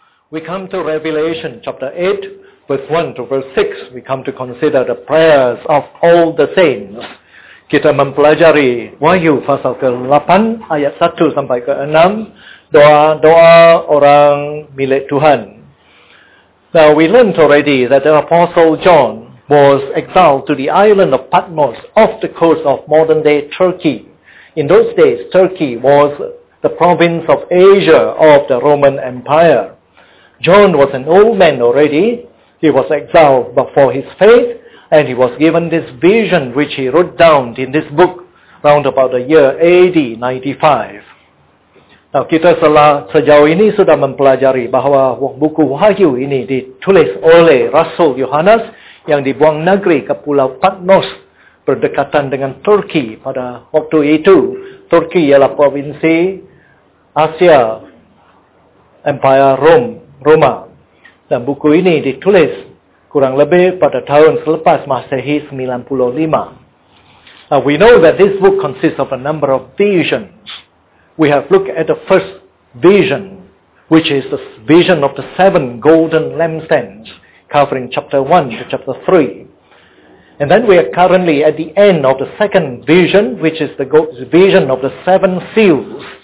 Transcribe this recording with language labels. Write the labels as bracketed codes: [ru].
[en] We come to Revelation chapter 8, verse 1 to verse 6. We come to consider the prayers of all the saints. [id] Kita mempelajari Wahyu pasal ke-8 ayat 1 sampai ke-6, doa-doa orang milik Tuhan. [en] Now we learned already that the Apostle John was exiled to the island of Patmos off the coast of modern-day Turkey. In those days, Turkey was the province of Asia of the Roman Empire. John was an old man already. He was exiled for his faith, and he was given this vision which he wrote down in this book round about the year AD 95. [id] Now, kita sejauh ini sudah mempelajari bahwa buku Wahyu ini ditulis oleh Rasul Yohanes yang dibuang negeri ke Pulau Patmos berdekatan dengan Turki pada waktu itu. Turki ialah provinsi Asia Empire Roma. Dan buku ini ditulis kurang lebih pada tahun selepas Masehi 95. [en] Now we know that this book consists of a number of visions. We have looked at the first vision, which is the vision of the seven golden lampstands, covering chapter 1 to chapter 3. And then we are currently at the end of the second vision, which is the vision of the seven seals.